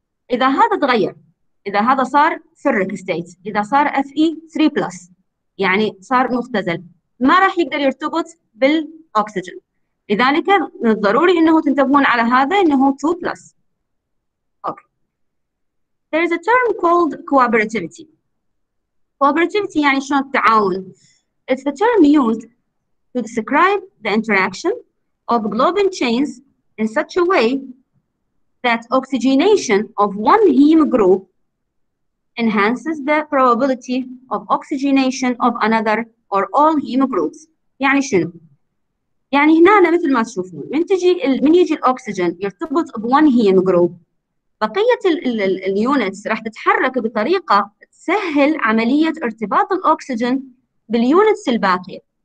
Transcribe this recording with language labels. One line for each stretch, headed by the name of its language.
Arabic: اذا هذا تغير، اذا هذا صار فيرك ستيت، اذا صار اف اي 3 بلس يعني صار مختزل، ما راح يقدر يرتبط بالاكسجين. لذلك من الضروري انه تنتبهون على هذا انه 2 بلس.
English: There is a term called cooperativity.
Arabic: Cooperativity يعني شلون التعاون.
English: It's the term used to describe the interaction of globin chains in such a way that oxygenation of one heme group enhances the probability of oxygenation of another or all heme groups.
Arabic: يعني شنو؟ يعني هنا مثل ما تشوفون من يجي الاكسجين يرتبط ب
English: one heme group،
Arabic: بقية اليونتس راح تتحرك بطريقة تسهل عملية ارتباط الأكسجين باليونتس الباقية.